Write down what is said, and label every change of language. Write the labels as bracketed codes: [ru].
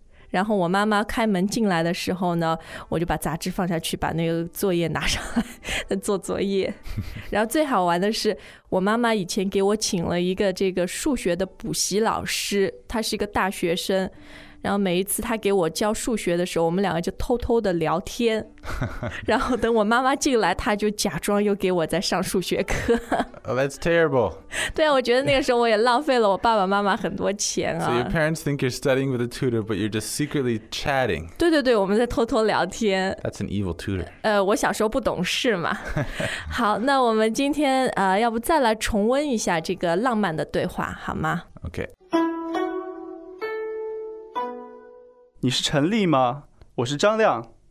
[zh] 然后我妈妈开门进来的时候呢我就把杂志放下去把那个作业拿上来做作业然后最好玩的是我妈妈以前给我请了一个这个数学的补习老师他是一个大学生然后每一次他给我教数学的时候我们两个就偷偷的聊天然后等我妈妈进来他就假装又给我在上数学课、 [en] oh, That's terrible [zh] 对啊我觉得那个时候我也浪费了我爸爸妈妈很多钱啊 [en] So your parents think you're studying with a tutor but you're just secretly chatting [zh] 对对对我们在偷偷聊天 [en] That's an evil tutor [zh] 我小时候不懂事嘛好那我们今天要不再来重温一下这个浪漫的对话好吗 [en] OK [zh] 你是陈丽吗？我是张亮。